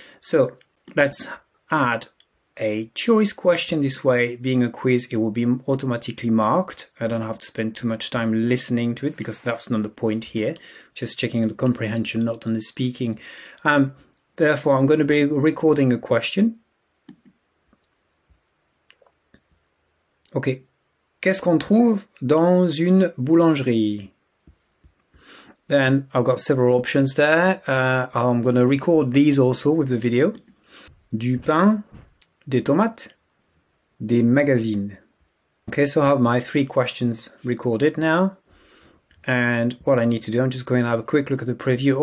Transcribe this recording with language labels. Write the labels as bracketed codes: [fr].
[en] So let's add a choice question. This way, being a quiz, it will be automatically marked. I don't have to spend too much time listening to it because that's not the point here. Just checking the comprehension, not on the speaking. Therefore, I'm going to be recording a question. [fr] Okay, qu'est-ce qu'on trouve dans une boulangerie? [en] Then I've got several options there. I'm going to record these also with the video. [fr] Du pain, des tomates, des magazines. [en] Okay, so I have my three questions recorded now. And what I need to do, I'm just going to have a quick look at the preview.